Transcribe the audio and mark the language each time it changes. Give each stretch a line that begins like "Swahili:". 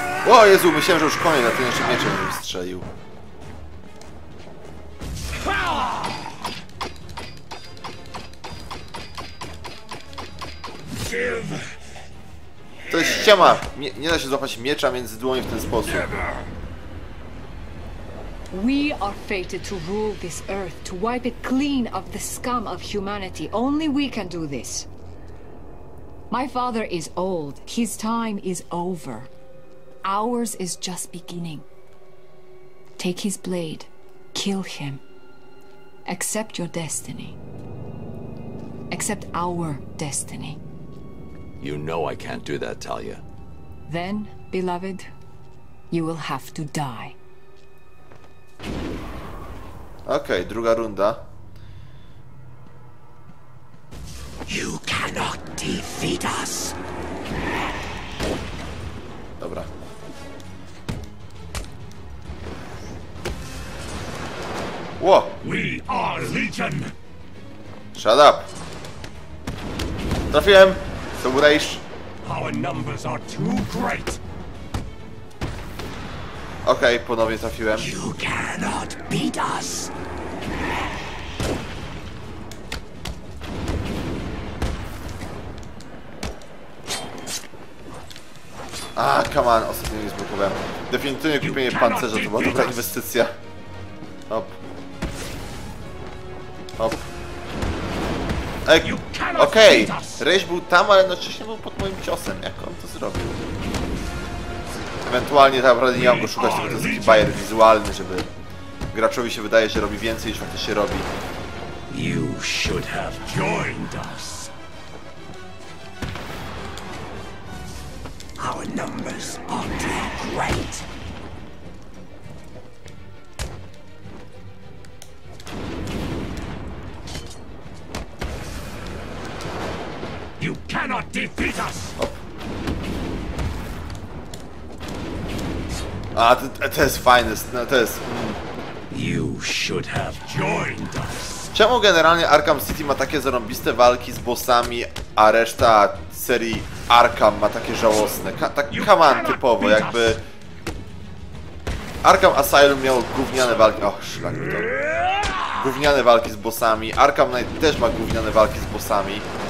Polish: O Jezu, myślałem, że już koniec, a ten jeszcze mieczem bym strzelił. To jest ściema, nie da się złapać miecza między dłoni w ten sposób.
English: We are fated to rule this earth, to wipe it clean of the scum of humanity. Only we can do this. My father is old. His time is over. Ours is just beginning. Take his blade. Kill him. Accept your destiny. Accept our destiny. You know I can't do that, Talia. Then, beloved, you will have to die.
Polish: Okej, druga runda.
English: You cannot defeat us.
Polish: Dobra. Ło!
English: We are Legion. Shut up.
Polish: Trafiłem. To był Ra's.
English: Our numbers are too great.
Polish: Okej, ponownie trafiłem.
English: You cannot beat us.
Polish: Okej, A,
English: come on,
Polish: ostatnio nie zblokowałem. Definitywnie kupienie pancerza to była dobra inwestycja. Hop. Hop. Okej, Rage był tam, ale jednocześnie był pod moim ciosem. Jak on to zrobił? Ewentualnie tak naprawdę nie mam go szukać, tylko to jest taki bajer wizualny, żeby graczowi się wydaje, że robi więcej niż faktycznie robi.
English: You should have joined us. Our numbers are too great. You cannot defeat us.
Polish: A, to jest fajne, no to jest.
English: You should have joined us.
Polish: Czemu generalnie Arkham City ma takie zarąbiste walki z bossami, a reszta serii Arkham ma takie żałosne? Tak,
English: come on,
Polish: typowo, jakby... Arkham Asylum miał gówniane walki... Och, szlak to... Gówniane walki z bossami, Arkham Knight też ma gówniane walki z bossami.